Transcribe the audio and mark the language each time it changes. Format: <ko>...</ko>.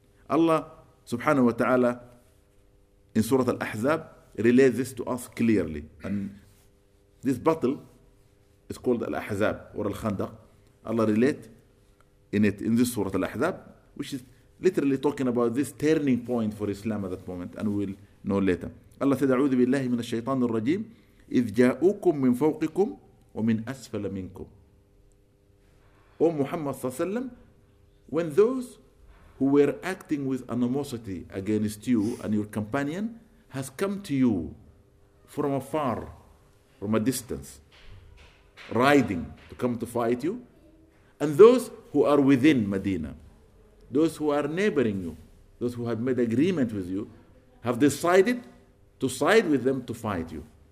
<en>Allah subhanahu wa ta'ala in Surah Al-Ahzab relates this to us clearly. And this battle is called Al-Ahzab or Al-Khandaq. Allah relates in it in this Surah Al-Ahzab, which is literally talking about this turning point for Islam at that moment, and we'll know later. Allah said,</en> <ar>أعوذ بالله من الشيطان الرجيم إذ جاءوكم من فوقكم ومن أسفل منكم.</ar> <en>O Muhammad sallallahu alayhi wa sallam, when those who were acting with animosity against you and your companion has come to you from afar, from a distance, riding to come to fight you, and those who are within Medina, those who are neighboring you, those who have made agreement with you, have decided to side with them to fight you.</en>